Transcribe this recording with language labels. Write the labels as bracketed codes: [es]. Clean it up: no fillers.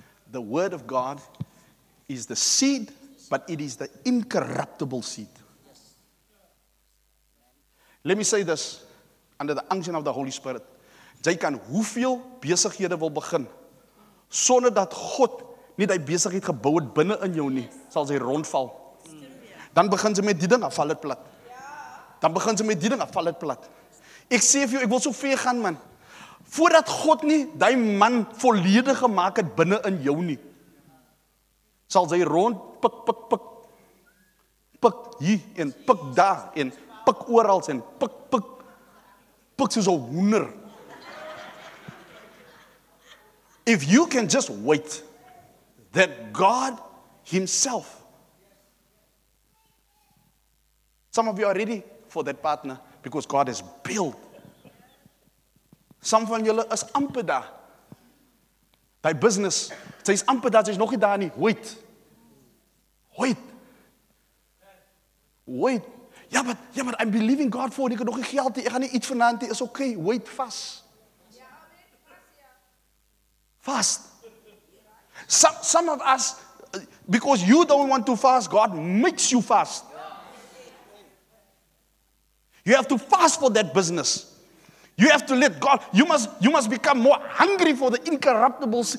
[en] The word of God is the seed, but it is the incorruptible seed. Let me say this. under the unction of the Holy Spirit. [af] Jy kan hoeveel besighede wil begin, sonder dat God nie die besigheid gebou het binne in jou nie, sal sy rondval. Dan begin sy met die ding, val het plat. Dan begin sy met die ding, val het plat. Ek sê vir jou, ek wil so ver gaan, man. Voordat God nie die man volledig gemaak het binne in jou nie, sal sy rond, pik, pik, pik, pik hier, en pik daar, en pik oorals, en pik, pik, pik soos 'n hoender. [en] If you can just wait, that God himself, some of you are ready for that partner, because God has built. [af] Some van julle is amper daar. By business, sy is amper daar, sy is nog nie daar nie. [en] Wait. Wait. Wait. [af] Ja, [en] but I'm believing God for, [af] ek het nog nie geld nie, ek gaan nie iets vanaand nie, is okay, [en] wait fast. Fast. Some of us, because you don't want to fast, God makes you fast. You have to fast for that business. You have to let God, you must become more hungry for the incorruptible.